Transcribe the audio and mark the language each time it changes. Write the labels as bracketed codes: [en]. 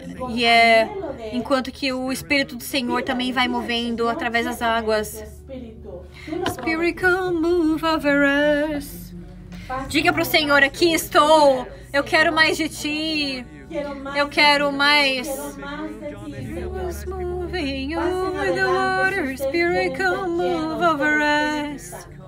[pt] E é enquanto que o Espírito do Senhor também vai movendo através das águas. [en] Spirit, come move over us. [pt] Diga para o Senhor, aqui estou. Eu quero mais de ti. Eu quero mais. [en] Jesus moving over the water. Spirit, come move over us.